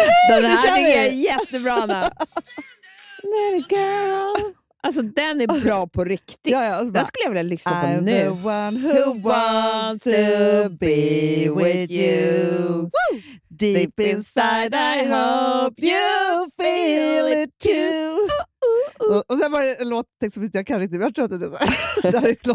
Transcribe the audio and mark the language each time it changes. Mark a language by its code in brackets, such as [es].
[sv] Den här är jättebra, Anna. [en] Let it go. [sv] Alltså den är bra på riktigt. Ja, alltså bara, den skulle jag vilja lyssna på [en] I'm [sv] nu. [en] I'm the one who wants to be with you. Woo! Deep inside I hope you feel it too. [sv] Och sen var det en låttext som jag kan inte, men jag tror att det är så här.